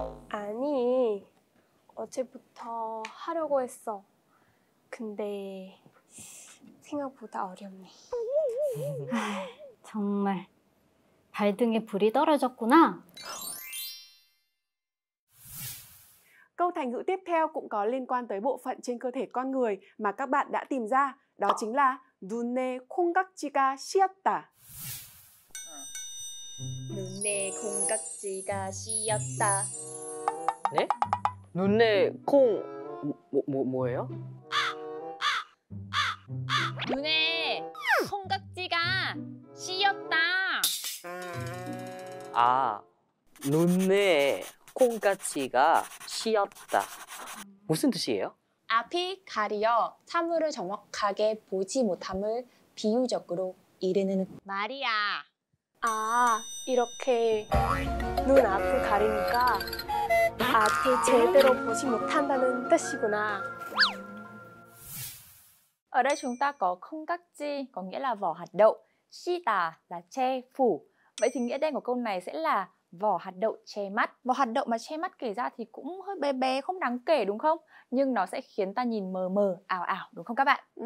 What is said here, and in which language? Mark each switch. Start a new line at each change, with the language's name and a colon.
Korean: 아니, 어제부터 하려고 했어. 근데 생각보다 어렵네. 정말 발등에 불이 떨어졌구나.
Vietnamese: Câu thành ngữ tiếp theo cũng có liên quan tới bộ phận trên cơ thể con người mà các bạn đã tìm ra, đó chính là
Korean: 눈에 콩깍지가 씌었다. 눈에 콩깍지가 씌었다. 네? 눈에 콩 뭐예요? 눈에 콩깍지가 씌었다. 아, 눈에 콩깍지가 씌었다. 무슨 뜻이에요? 앞이 가려 사물을 정확하게 보지 못함을 비유적으로 이르는 말이야. 아, 이렇게 눈 앞을 가리니까 앞을 제대로 보지 못한다는 뜻이구나.
Vietnamese: Ở đây chúng ta có không cắt chi có nghĩa là vỏ hạt đậu, chi tà là che phủ. Vậy thì nghĩa đen của câu này sẽ là vỏ hạt đậu che mắt. Vỏ hạt đậu mà che mắt kể ra thì cũng hơi bé bé, không đáng kể đúng không? Nhưng nó sẽ khiến ta nhìn mờ mờ, ảo ảo đúng không các bạn?